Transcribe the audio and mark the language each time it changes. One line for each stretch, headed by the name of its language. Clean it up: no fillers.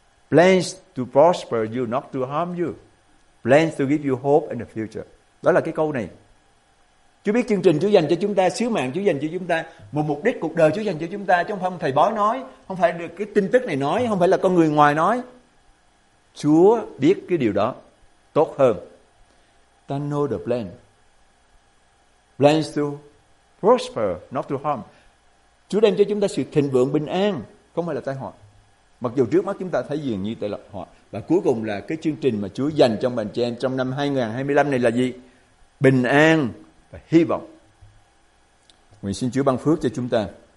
English: Plans to prosper you, not to harm you. Plans to give you hope in the future.
Vietnamese: Đó là cái câu này. Chúa biết chương trình Chúa dành cho chúng ta, sứ mạng Chúa dành cho chúng ta, một mục đích cuộc đời Chúa dành cho chúng ta, chứ không phải ông thầy bói nói, không phải được cái tin tức này nói, không phải là con người ngoài nói. Chúa biết cái điều đó tốt hơn.
English: Ta know the plan. Plans to prosper, not to harm.
Vietnamese: Chúa đem cho chúng ta sự thịnh vượng, bình an, không phải là tai họa. Mặc dù trước mắt chúng ta thấy dường như tai họa. Và cuối cùng là cái chương trình mà Chúa dành cho bạn chị em trong năm 2025 này là gì? Bình an và hy vọng. Nguyện xin Chúa ban phước cho chúng ta.